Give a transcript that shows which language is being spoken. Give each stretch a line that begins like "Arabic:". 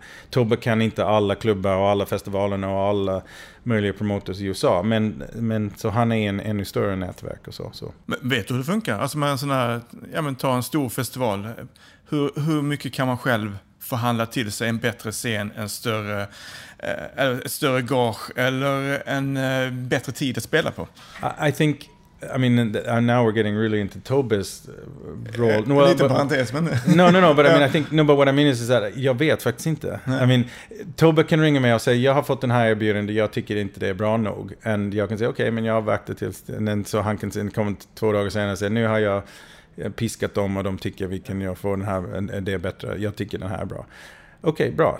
Swedish: Tobbe kan inte alla klubbar och alla festivalerna och alla möjliga promoters i USA, men så han är en ännu större nätverk och så. Men vet du hur det funkar? Alltså med en sån här, ja men ta en stor festival, hur mycket kan man själv förhandla till sig en bättre scen, en större, ett större gage eller en bättre tid att spela på?
English: I think, I mean, now we're getting really into Tobbe's role.
Swedish: Lite parentes, men...
English: No, but I mean, I think, no, but what I mean is that
Swedish: jag vet faktiskt inte. Nej.
English: I mean,
Swedish: Tobbe kan ringa mig och säga, jag har fått den här erbjudandet, jag tycker inte det är bra nog. And jag kan säga, okej, men jag har väckt det tills...
English: And then,
Swedish: så han kan komma 2 dagar senare och säga, nu har jag piskat dem och de tycker vi kan ju få den här, det är bättre, jag tycker den här är bra. Okej, bra.